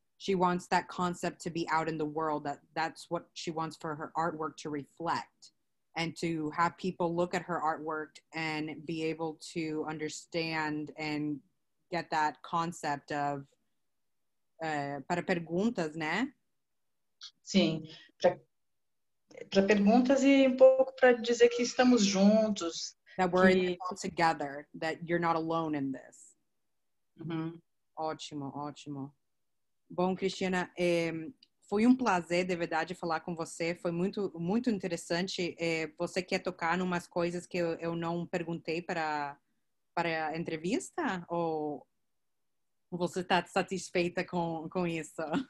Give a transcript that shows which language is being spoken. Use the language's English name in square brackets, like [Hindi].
[English] She wants that concept to be out in the world, that's what she wants for her artwork to reflect. and to have people look at her artwork and be able to understand and get that concept of [Portuguese] para perguntas, né? Sim, para perguntas e um pouco para dizer que estamos juntos. [English] That we're all together, that you're not alone in this. Uh-huh. [Portuguese] Ótimo, ótimo. Bom, Cristiana, foi um prazer, de verdade, falar com você. Foi muito, muito interessante. Você quer tocar em umas coisas que eu não perguntei para a entrevista? Ou você está satisfeita com isso?